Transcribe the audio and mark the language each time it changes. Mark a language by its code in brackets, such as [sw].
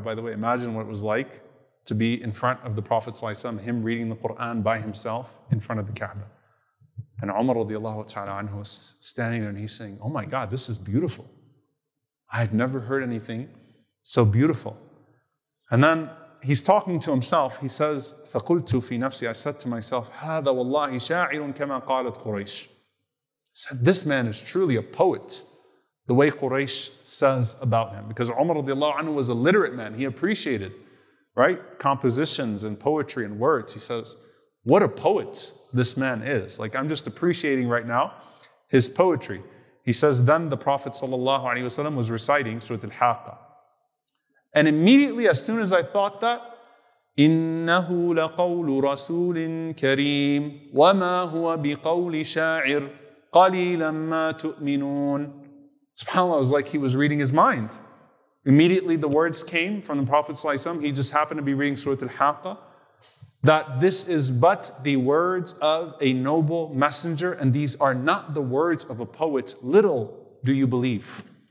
[en] By the way, imagine what it was like to be in front of the Prophet ﷺ, him reading the Quran by himself in front of the Kaaba. And Umar radiallahu ta'ala anhu is standing there and he's saying, oh my God, this is beautiful. I've never heard anything so beautiful. And then he's talking to himself. He says, [ar] فَقُلْتُ فِي نَفْسِي, [en] I said to myself, [ar] هَذَا وَاللَّهِ شَاعِرٌ كَمَا قَالَتْ قُرَيْشِ. [en] I said, this man is truly a poet, the way Quraysh says about him. Because Umar radiallahu anhu was a literate man. He appreciated, right, compositions and poetry and words. He says, what a poet this man is. Like, I'm just appreciating right now his poetry. He says, then the Prophet ﷺ was reciting Surah Al-Haqqa. And immediately, as soon as I thought that, [ar] إِنَّهُ لَقَوْلُ رَسُولٍ كَرِيمٍ وَمَا هُوَ بِقَوْلِ شَاعِرٍ قَلِيلًا مَا تُؤْمِنُونَ. [en] SubhanAllah, it was like he was reading his mind. Immediately, the words came from the Prophet ﷺ. He just happened to be reading Surah Al-Haqqa. That this is but the words of a noble messenger, and these are not the words of a poet. Little do you believe.